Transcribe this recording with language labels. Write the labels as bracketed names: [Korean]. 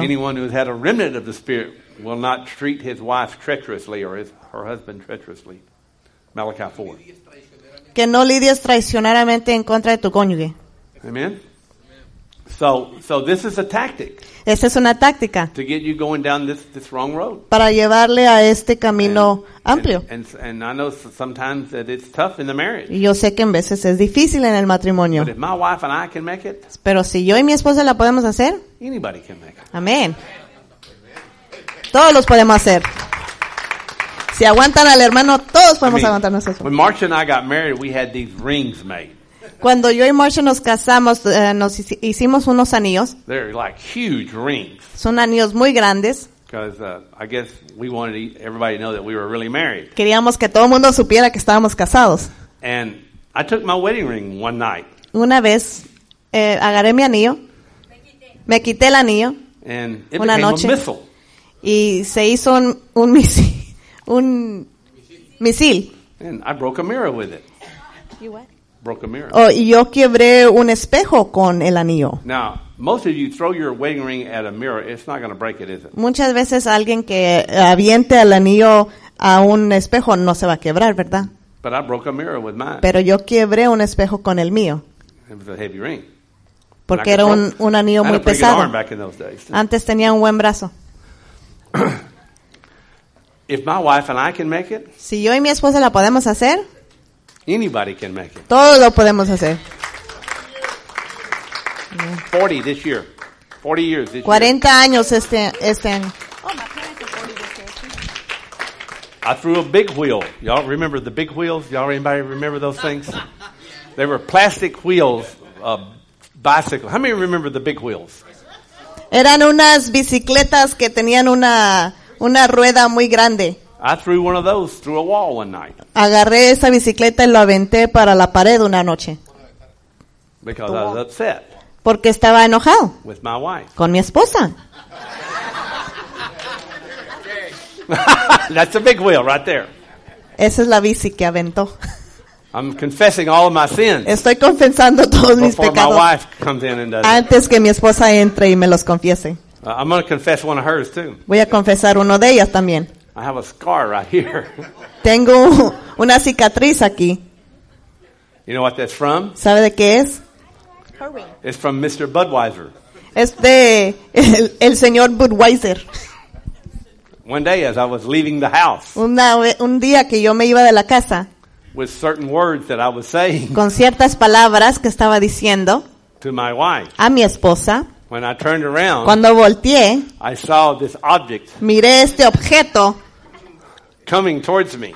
[English] Anyone who has had a remnant of the Spirit will not treat his wife treacherously or her husband treacherously. Malachi 4. [Spanish] Que no lidies traicioneramente en contra de tu cónyuge. [English] Amen. So this is a tactic. [Spanish] Esta es una táctica. [English] To get you going down this wrong road. [Spanish] Para llevarle a este camino amplio. [English] And I know sometimes that it's tough in the marriage. [Spanish] Yo sé que en veces es difícil en el matrimonio. [English] But if my wife and I can make it. [Spanish] Pero si yo y mi esposa la podemos hacer. [English] Anybody can make it. [Spanish] Amén. Todos los podemos hacer. Si aguantan al hermano, todos podemos aguantar nosotros. [English] When Marcia and I got married, we had these rings made. [Spanish] Cuando yo y Marcia nos casamos, nos hicimos unos anillos. [English] They're like huge rings. [Spanish] Son anillos muy grandes. [English] Because I guess we wanted everybody to know that we were really married. [Spanish] Queríamos que todo el mundo supiera que estábamos casados. [English] And I took my wedding ring one night. [Spanish] Una vez agarré mi anillo. Me quité el anillo. [English] And it [Spanish] una [English] became [Spanish] noche. [English] A missile. [Spanish] Y se hizo un misil. [English] And I broke a mirror with it. You what? Broke a mirror. [Spanish] Oh, y yo quebré un espejo con el anillo. [English] Now, most of you throw your wedding ring at a mirror, it's not going to break it, is it? [Spanish] Muchas veces alguien que aviente el anillo a un espejo no se va a quebrar, ¿verdad? [English] But I broke a mirror with mine. [Spanish] Pero yo quebré un espejo con el mío. [English] It was a heavy ring. [Spanish] Porque era un anillo muy pesado. Antes tenía un buen brazo. [English] If my wife and I can make it, [Spanish] si yo y mi esposa la podemos hacer, [English] anybody can make it. [Spanish] Todos lo podemos hacer. [English] 40 this year. 40 years this 40 year. [Spanish] 40 años este año. [English] I threw a big wheel. Y'all remember the big wheels? Y'all anybody remember those things? They were plastic wheels, bicycle. How many remember the big wheels? [Spanish] Eran unas bicicletas que tenían una rueda muy grande. [English] I threw one of those through a wall one night. [Spanish] Agarré esa bicicleta y lo aventé para la pared una noche. [English] Because I was upset. [Spanish] Porque estaba enojado. [English] With my wife. [Spanish] Con mi esposa. [English] That's a big wheel right there. [Spanish] Esa es la bici que aventó. [English] I'm confessing all of my sins. [Spanish] Estoy confesando todos mis pecados. [English] My wife comes in and does [Spanish] antes que mi esposa entre y me los confiese. [English] I'm going to confess one of hers too. [Spanish] Voy a confesar uno de ellas también. [English] I have a scar right here. [Spanish] Tengo una cicatriz aquí. [English] You know what that's from? [Spanish] ¿Sabe de qué es? [English] It's from Mr. Budweiser. [Spanish] Es de el señor Budweiser. [English] One day as I was leaving the house. [Spanish] Un día que yo me iba de la casa. [English] With certain words that I was saying. [Spanish] Con ciertas palabras que estaba diciendo. [English] To my wife. [Spanish] A mi esposa. [English] When I turned around, [Spanish] cuando volteé, [English] I saw this object. [Spanish] Miré este objeto [English] coming towards me.